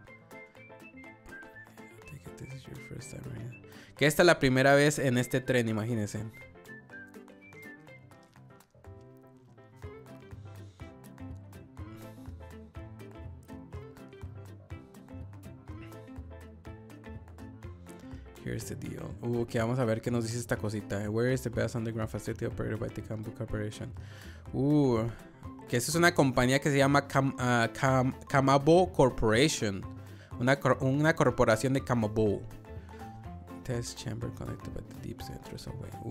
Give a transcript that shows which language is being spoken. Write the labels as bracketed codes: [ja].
[en] Take it, this is your first time, right? [es] Que esta es la primera vez en este tren, imagínense. [en] Here's the deal. Okay, [es] vamos a ver qué nos dice esta cosita. [en] Where is the best underground facility operated by the Kambu Corporation? [es] Que esa es una compañía que se llama Kamabo Corporation. Una corporación de Kamabo. [en] Test chamber connected by the deep center subway.